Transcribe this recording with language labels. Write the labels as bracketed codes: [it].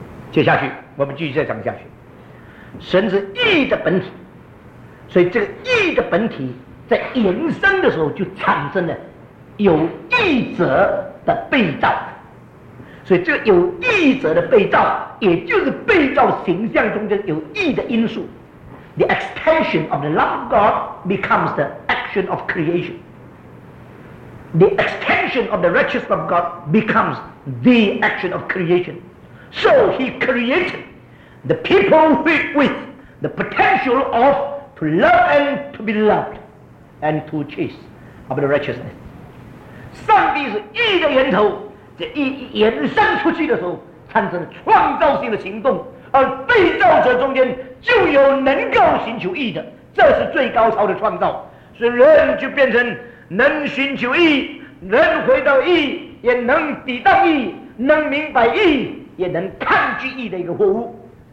[zh] 接下去我们继续再讲下去。神是义的本体，所以这个义的本体在延伸的时候就产生了有义者的被造，所以这个有义者的被造，也就是被造形象中间有义的因素。 [en] The extension of the love of God becomes the action of creation. The extension of the righteousness of God becomes the action of creation. So he created the people with the potential ofTo love and to be loved and to chase of the righteousness. [zh] 上帝是义的源头，这义延伸出去的时候产生了创造性的行动，而被造者中间就有能够寻求义的，这是最高超的创造。所以人就变成能寻求义，能回到义，也能抵挡义，能明白义，也能抗拒义的一个货物。